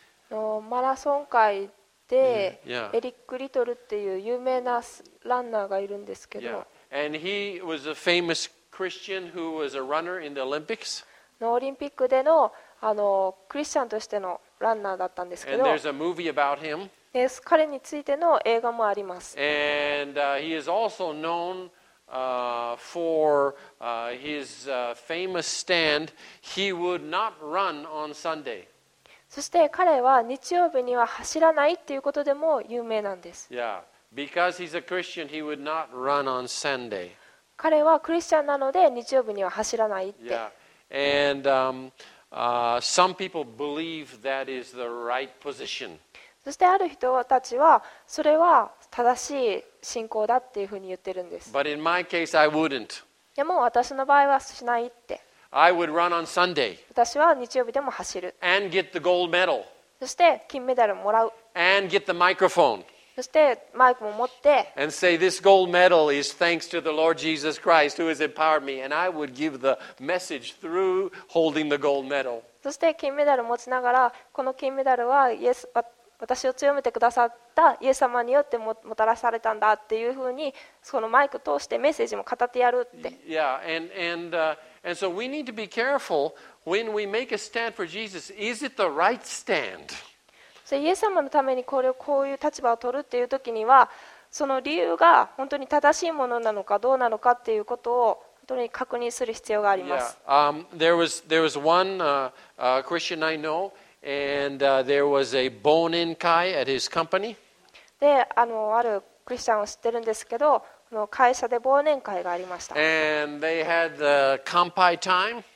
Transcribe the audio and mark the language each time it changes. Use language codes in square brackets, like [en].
[ja] のマラソン界でエリック・リトルっていう有名なランナーがいるんですけど。 [en] Yeah. And he was a famous Christian who was a runner in the Olympics. [ja] のオリンピックでのクリスチャンとしてのランナーだったんですけど。 [en] And there's a movie about him. [ja] 彼についての映画もあります。 [en] And, he is also known, for, his, famous stand. He would not run on Sunday. [ja] そして彼は日曜日には走らないっていうことでも有名なんです。 [en] Yeah. Because he's a Christian, he would not run on Sunday. [ja] 彼はクリスチャンなので日曜日には走らないって。 [en] Yeah. And, some people believe that is the right position. [ja] そしてある人たちはそれは正しい信仰だっていうふうに言ってるんです。 [en] But in my case, I wouldn't. [ja] でも私の場合はしないって。 [en] I would run on Sunday. [ja] 私は日曜日でも走る。 [en] And get the gold medal. [ja] そして金メダルもらう。 [en] And get the microphone. [ja] そしてマイクも持って。 [en] And say this gold medal is thanks to the Lord Jesus Christ who has empowered me, and I would give the message through holding the gold medal. [ja] そして金メダル持ちながらこの金メダルはイエス私を強めてくださったイエス様によってもたらされたんだっていうふうにそのマイク通してメッセージも語ってやるって。 [en] Yeah, and so we need to be careful when we make a stand for Jesus. Is it the right stand? [ja] そイエス様のためにこういう立場を取るっていう時には、その理由が本当に正しいものなのかどうなのかっていうことを本当に確認する必要があります。 [en] Yeah, there was one Christian I know. And there was a bone-in guy at his company. [ja] で、あるクリスチャンを知ってるんですけど、この会社で忘年会がありました。 [en] And they had the 乾杯 time.